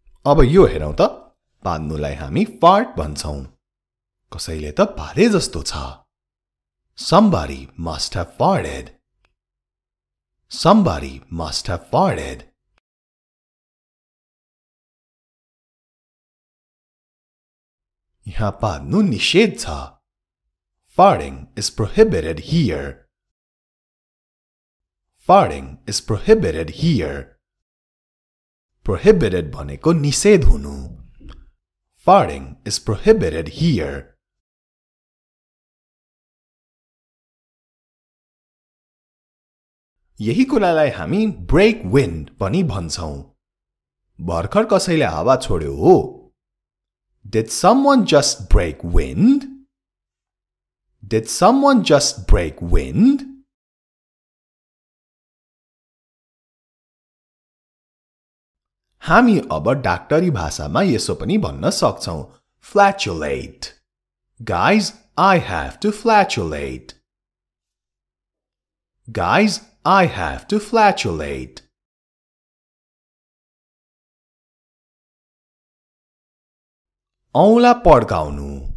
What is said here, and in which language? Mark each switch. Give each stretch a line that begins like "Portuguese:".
Nepali: अब यो हेरौ त पान्नुलाई हामी फार्ट भन्छौ। कसैले त पारे जस्तो छ।
English: Somebody must have farted. Somebody must have farted.
Nepali: यहाँ पार्नु निषेध छ।
English: Farting is prohibited here. Farting is prohibited here.
Nepali: Prohibited भनेको निषेध हुनु।
English: Farting is prohibited here.
Nepali: यही कुरालाई हामी break wind पनि भन्छौं। भर्खर कसैले हावा छोड्यो हो?
English: Did someone just break wind? Did someone just break wind?
Nepali: हामी अब डाक्टरी भाषामा यसो पनि भन्न सक्छौं।
English: Flatulate. Guys, I have to flatulate. Guys, I have to flatulate.
Nepali: औला पड्काउनु।